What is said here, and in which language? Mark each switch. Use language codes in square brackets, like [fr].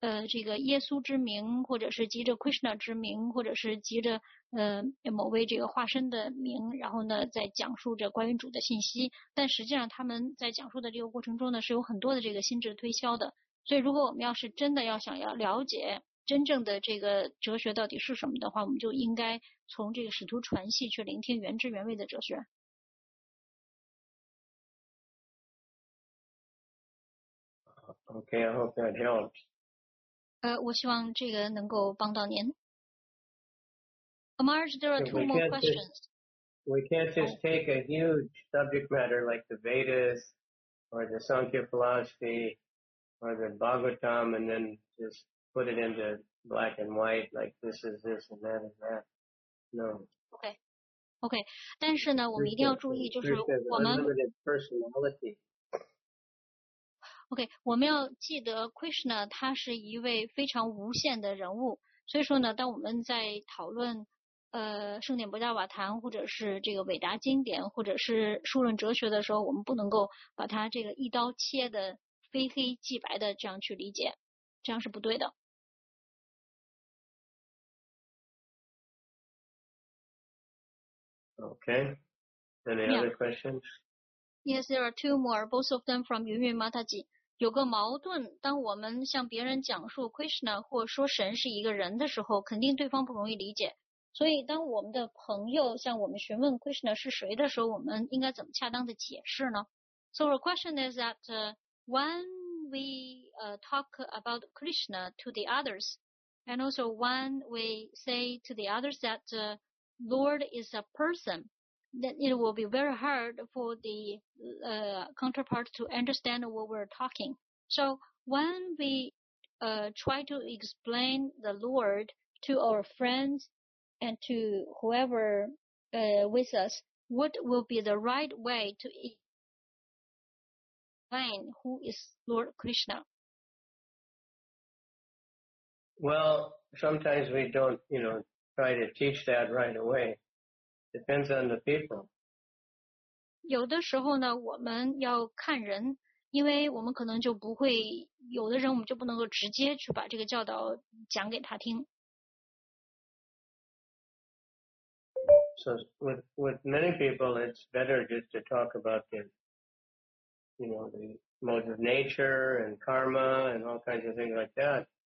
[zh] 这个耶稣之名，或者是积着奎什那之名，或者是积着某位这个化身的名，然后呢在讲述着关于主的信息。但实际上他们在讲述的这个过程中呢，是有很多的这个心智推销的。所以如果我们要是真的要想要了解 真正的这个哲学到底是什么的话，我们就应该从这个使徒传系去聆听原汁原味的哲学。Okay, [en] I hope that helps. [zh] 我希望这个能够帮到您。 [en] Amarj, there are two more questions. We can't just take a huge subject matter like the Vedas or the Sankhya philosophy or the Bhagavatam and then just put it into black and white, like this is this and that and that. No. Okay. Okay. [zh] 但是呢，我们一定要注意，就是我们 [en] unlimited personality. [zh] Okay, 我们要记得 Krishna 他是一位非常无限的人物，所以说呢，当我们在讨论圣典波迦瓦坛或者是这个伟大经典或者是数论哲学的时候，我们不能够把它这个一刀切的非黑即白的这样去理解，这样是不对的。 [en] Okay. Any other questions? Yes, there are two more, both of them from Yun Yun Mataji. [zh] 有个矛盾，当我们向别人讲述 Krishna 或说神是一个人的时候，肯定对方不容易理解。所以，当我们的朋友向我们询问 Krishna 是谁的时候，我们应该怎么恰当的解释呢？ [en] So our question is that when we talk about Krishna to the others, and also when we say to the others that Lord is a person, then it will be very hard for the counterpart to understand what we're talking. So when we try to explain the Lord to our friends and to whoever with us, what will be the right way to explain who is Lord Krishna? Well, sometimes we don't, you know, try to teach that right away. Depends on the people. [zh] 有的时候呢，我们要看人，因为我们可能就不会，有的人我们就不能够直接去把这个教导讲给他听。So [en] with many people, it's better just to talk about the, you know, the mode of nature and karma and all kinds of things like that.